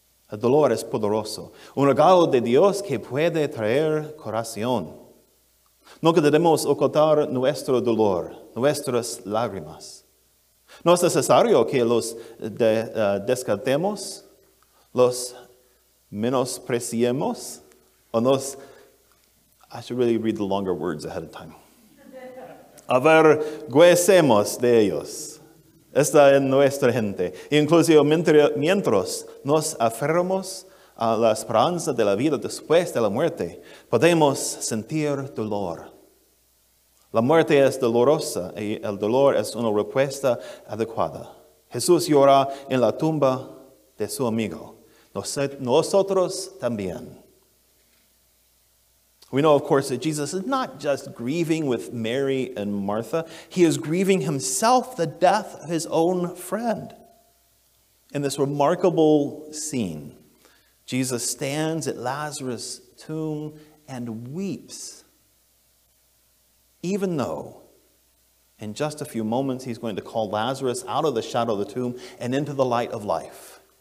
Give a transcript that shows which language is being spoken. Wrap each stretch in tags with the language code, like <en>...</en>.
<es>El dolor es poderoso, un regalo de Dios que puede traer curación. No queremos ocultar nuestro dolor, nuestras lágrimas. No es necesario que los descartemos, los menospreciemos o nos...</es> <en>I should really read the longer words ahead of time.</en> <es>Avergüecemos de ellos. Está en nuestra gente. Incluso mientras nos aferramos a la esperanza de la vida después de la muerte, podemos sentir dolor. La muerte es dolorosa y el dolor es una respuesta adecuada. Jesús llora en la tumba de su amigo. Nosotros también.</es> <en>We know, of course, that Jesus is not just grieving with Mary and Martha. He is grieving himself the death of his own friend. In this remarkable scene, Jesus stands at Lazarus' tomb and weeps, even though in just a few moments he's going to call Lazarus out of the shadow of the tomb and into the light of life.</en>